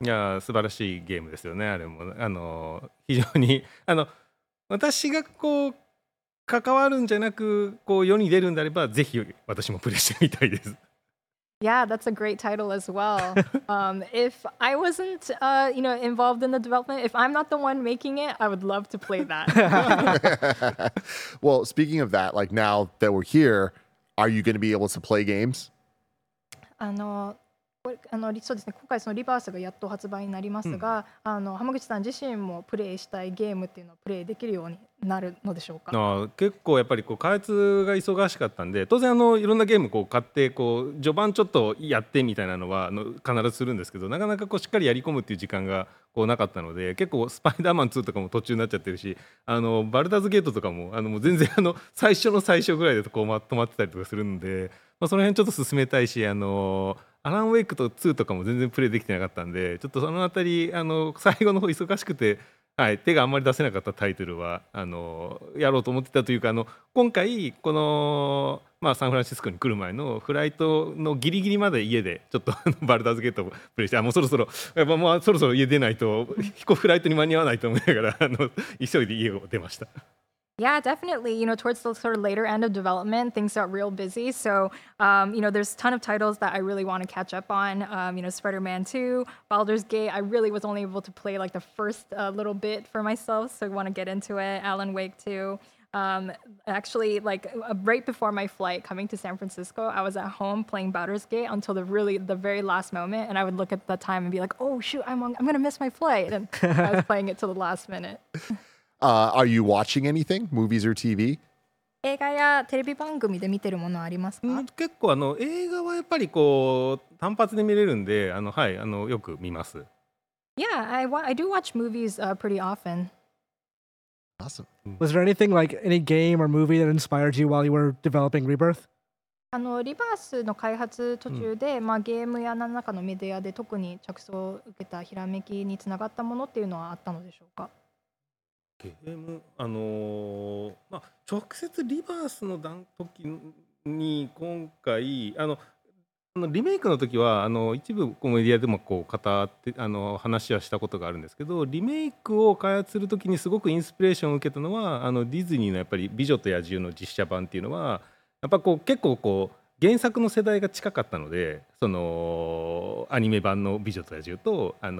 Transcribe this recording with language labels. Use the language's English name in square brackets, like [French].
[Japanese] いや、素晴らしいゲームですよね。あれも非常に私がこう関わるんじゃなくこう世に出るんであればぜひ私もプレイしてみたいです。 [English] Yeah, that's a great title as well. if I wasn't, you know, involved in the development, if I'm not the one making it, I would love to play that. Well, speaking of that, like now that we're here, are you going to be able to play games? [Japanese] そうですね、今回そのリバースがやっと発売になりますが、うん、浜口さん自身もプレイしたいゲームっていうのをプレイできるようになるのでしょうか。ああ結構やっぱりこう開発が忙しかったんで当然いろんなゲームこう買ってこう序盤ちょっとやってみたいなのは必ずするんですけどなかなかこうしっかりやり込むっていう時間がこうなかったので結構スパイダーマン2とかも途中になっちゃってるしバルダーズゲートとか もう全然最初の最初ぐらいでこう止まってたりとかするんで、まあ、その辺ちょっと進めたいしアランウェイクと2とかも全然プレイできてなかったんでちょっとそのあたり最後の方忙しくて、はい、手があんまり出せなかったタイトルはやろうと思ってたというか今回この、まあ、サンフランシスコに来る前のフライトのギリギリまで家でちょっとバルダーズゲートをプレイしてもうそろそろやっぱもうそろそろ家出ないと飛行フライトに間に合わないと思いながら急いで家を出ました。 [English] Yeah, definitely. You know, towards the sort of later end of development, things got real busy. So, you know, there's a ton of titles that I really want to catch up on. You know, Spider-Man 2, Baldur's Gate. I really was only able to play like the first little bit for myself. So I want to get into it. Alan Wake 2. Actually, like right before my flight coming to San Francisco, I was at home playing Baldur's Gate until the very last moment. And I would look at the time and be like, oh, shoot, I'm going to miss my flight. And I was playing it till the last minute. Are you watching anything? Movies or TV? [Japanese] 映画やテレビ番組で見てるものありますか？結構映画はやっぱりこう単発で見れるんで、はい、よく見ます。 [English] Yeah, I do watch movies pretty often. Awesome. Was there anything like any game or movie that inspired you while you were developing Rebirth? [Japanese] リバースの開発途中で、うん、まあゲームや何らかのメディアで特に着想を受けたひらめきにつながったものっていうのはあったのでしょうか？ゲーム直接リバースの時に今回リメイクの時は一部こうメディアでもこう語って話はしたことがあるんですけどリメイクを開発する時にすごくインスピレーションを受けたのはディズニーのやっぱり美女と野獣の実写版っていうのはやっぱこう結構こう原作の世代が近かったのでそのアニメ版の美女と野獣と